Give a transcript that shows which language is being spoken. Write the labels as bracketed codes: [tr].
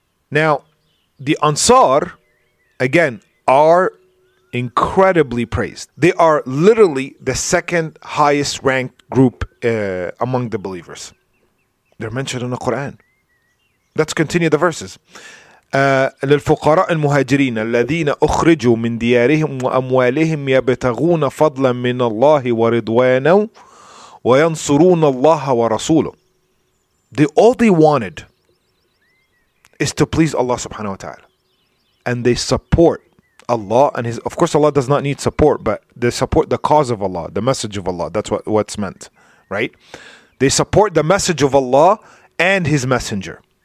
[en] Now, the Ansar, again, are incredibly praised. They are literally the second highest ranked group among the believers. They're mentioned in the Quran. Let's continue the verses. [ar] للفقراء المهاجرين الذين أخرجوا من ديارهم وأموالهم يبتغون فضلا من الله ورضوانه وينصرون الله ورسوله. [en] All they wanted is to please Allah subhanahu wa ta'ala, and they support Allah and His. Of course, Allah does not need support, but they support the cause of Allah, the message of Allah. That's what's meant, right? They support the message of Allah and His messenger.